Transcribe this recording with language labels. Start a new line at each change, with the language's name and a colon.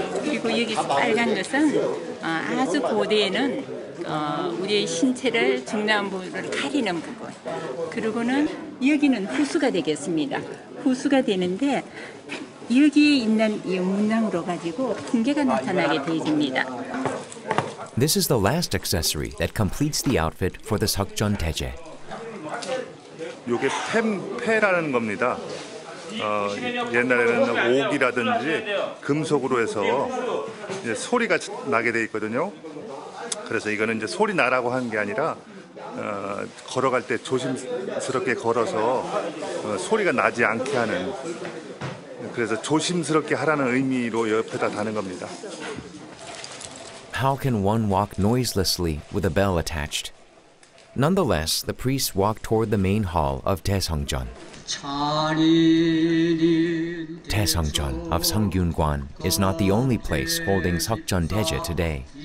Korean: 그리고 여기 빨간 것은 아주 고대에는 우리의 신체를 중요한 부분을 가리는 부분. 그리고는 여기는 후수가 되겠습니다. 후수가 되는데 여기 있는 이 문양으로 가지고 훈계가 나타나게 되어집니다.
English: This is the last accessory that completes the outfit for the Seokjeon Daejae.
Korean: 요게 템페라는 겁니다. 옛날에는 옥이라든지 금속으로 해서 이제 소리가 나게 돼 있거든요. 그래서 이거는 이제 소리 나라고 하는 게 아니라 걸어갈 때 조심스럽게 걸어서 소리가 나지 않게 하는, 그래서 조심스럽게 하라는 의미로 옆에다 다는 겁니다.
English: How can one walk noiselessly with a bell attached? Nonetheless, the priests walk toward the main hall of Daesongjeon. Daesongjeon of Sungkyunkwan is not the only place holding Seokjeon Daeje today.